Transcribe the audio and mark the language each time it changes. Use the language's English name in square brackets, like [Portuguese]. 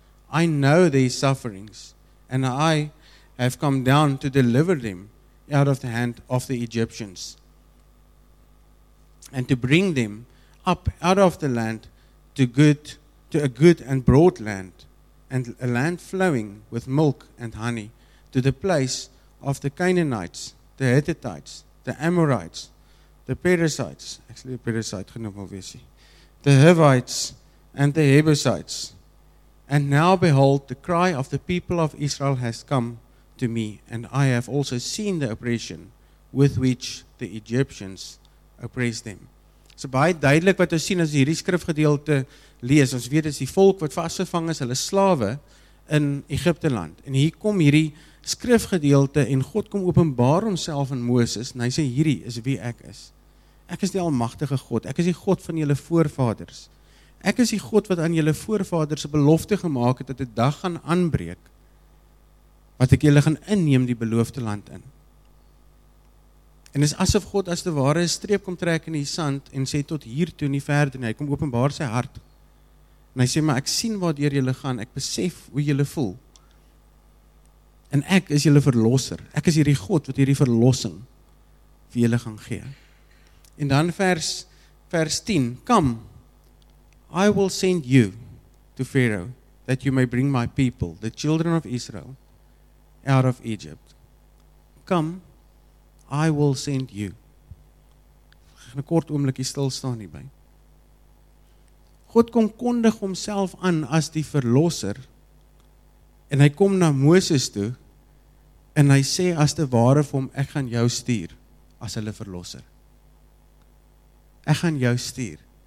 [English] I know their sufferings, and I have come down to deliver them out of the hand of the Egyptians, and to bring them up out of the land to a good and broad land, and a land flowing with milk and honey, to the place of the Canaanites, the Hittites, the Amorites, the Perizzites, actually a Perizzite genoem obviously, the Hivites and the Jebusites. And now behold, the cry of the people of Israel has come to me, and I have also seen the oppression with which the Egyptians oppressed them." [Afrikaans] So baie duidelik wat ons sien as hierdie skrifgedeelte lees, ons weet is die volk wat vasgevang is, hulle slawe in Egypte land. En hier kom hierdie skrifgedeelte en God kom openbaar homself aan Moses en hy sê hierdie is wie ek is. Ek is die almagtige God, ek is die God van julle voorvaders. Ek is die God wat aan julle voorvaders 'n belofte gemaak het dat 'n dag gaan aanbreek wat ek julle gaan inneem die beloofde land in. En is asof God as te ware streep kom trek in die sand en sê tot hier toe nie verder nie. Hy kom openbaar sy hart. En hy sê, maar ek sien waardeur julle gaan, ek besef hoe julle voel. En ek is julle verlosser. Ek is hierdie God wat hierdie verlossing vir julle gaan gee. En dan vers 10, [English] "Come, I will send you to Pharaoh, that you may bring my people, the children of Israel, out of Egypt. Come, I will send you." [Afrikaans] Ek gaan 'n kort oomblikie stil staan hierby. God kom kondig homself aan as die verlosser en hy kom na Moses toe en hy sê as te ware vir hom, ek gaan jou stuur as hulle verlosser. Ek gaan jou stuur.